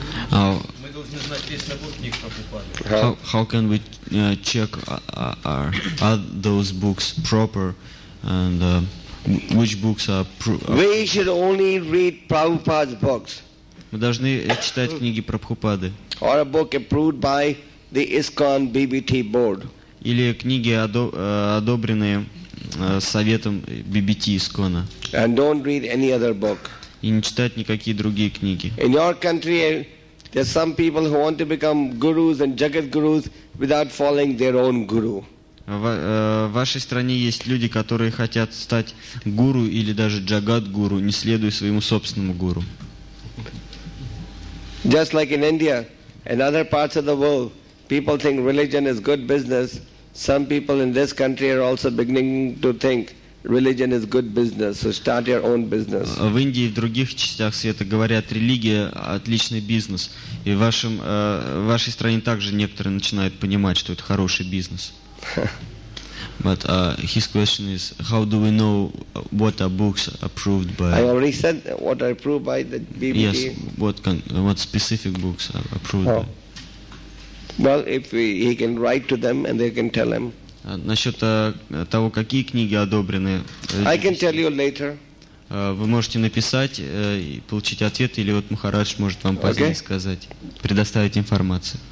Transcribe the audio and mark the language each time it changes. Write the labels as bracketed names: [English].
[Russian] Мы должны знать весь набор книг Прабхупады. [English] How can we check are those books proper and which books are... We should only read Prabhupada's books. [Russian] Мы должны читать книги Прабхупады. [English] Or a book approved by the ISKCON BBT board. [Russian] Или книги, одобренные советом BBT ISKCON. [English] And don't read any other book. [Russian] И не читать никакие другие книги. [English] In your country, there are some people who want to become gurus and jagat gurus without following their own guru. [Russian] В вашей стране есть люди, которые хотят стать гуру или даже джагат гуру, не следуя своему собственному гуру. [English] Just like in India and other parts of the world, people think religion is good business. Some people in this country are also beginning to think religion is good business. So start your own business. [Russian] В Индии и в других частях света говорят, религия – отличный бизнес. И в вашей стране также некоторые начинают понимать, что это хороший бизнес. [English] But his question is, how do we know what are books approved by? I already said what are approved by the BBT. Yes, what specific books are approved by? Well, if he can write to them and they can tell him. [Russian] Насчет того, какие книги одобрены. [English] I can tell you later. [Russian] Вы можете написать и получить ответ, или вот Махарадж может вам позднее сказать, предоставить информацию.